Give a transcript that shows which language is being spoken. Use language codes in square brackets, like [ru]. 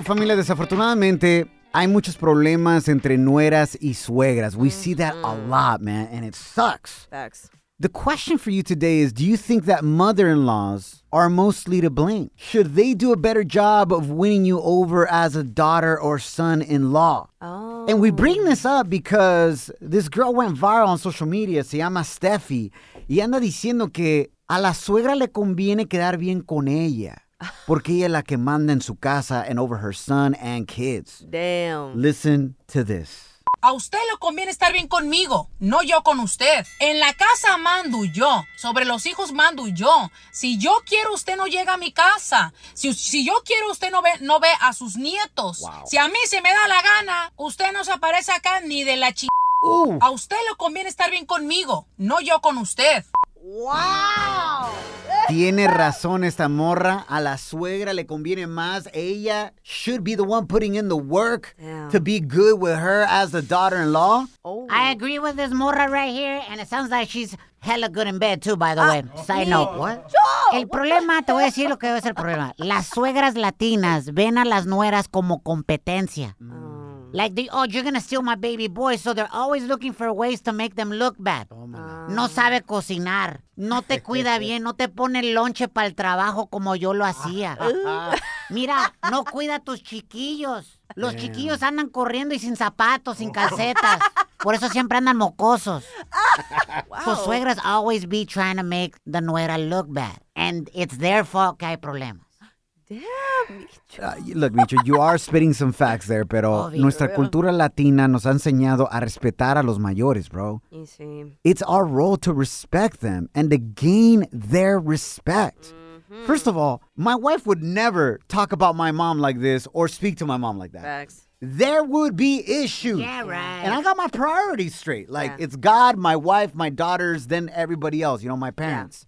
[es] Familia, desafortunadamente, hay muchos problemas entre nueras y suegras. [en] We see that a lot, man, and it sucks. Facts. The question for you today is, do you think that mother-in-laws are mostly to blame? Should they do a better job of winning you over as a daughter or son-in-law? Oh. And we bring this up because this girl went viral on social media. [es] Se llama Steffi. Y anda diciendo que a la suegra le conviene quedar bien con ella. Porque ella es la que manda en su casa [en] and over her son and kids. Damn. Listen to this. [es] A usted le conviene estar bien conmigo, no yo con usted. En la casa mando yo, sobre los hijos mando yo. Si yo quiero, usted no llega a mi casa. Si yo quiero, usted no ve a sus nietos. [en] Wow. [es] Si a mí se me da la gana, usted no se aparece acá ni de la chingada. A usted le conviene estar bien conmigo, no yo con usted. [en] Wow. [es] Tiene razón esta morra. A la suegra le conviene más. [en] Ella should be the one putting in the work. Damn. To be good with her as the daughter-in-law. Oh. I agree with this morra right here. And it sounds like she's hella good in bed too, by the way. Side note. What? [es] El problema, te voy a decir lo que es el problema. Las suegras latinas ven a las nueras como competencia. [en] Like, you're gonna steal my baby boy, so they're always looking for ways to make them look bad. Oh, man. [es] No sabe cocinar, no te cuida bien, no te pone el lonche para el trabajo como yo lo hacía. Mira, no cuida a tus chiquillos. Los [en] Damn. [es] Chiquillos andan corriendo y sin zapatos, sin calcetas. Por eso siempre andan mocosos. [en] Wow. So suegras always be trying to make the nuera look bad. And it's their fault [es] que hay problemas. [en] Damn, Micho. Look, Micho, you are spitting some facts there, pero [es] Obvio, nuestra cultura latina nos ha enseñado a respetar a los mayores, bro. Y sí. [en] It's our role to respect them and to gain their respect. Mm-hmm. First of all, my wife would never talk about my mom like this or speak to my mom like that. Facts. There would be issues. Yeah, right. And I got my priorities straight. Like, it's God, my wife, my daughters, then everybody else, you know, my parents.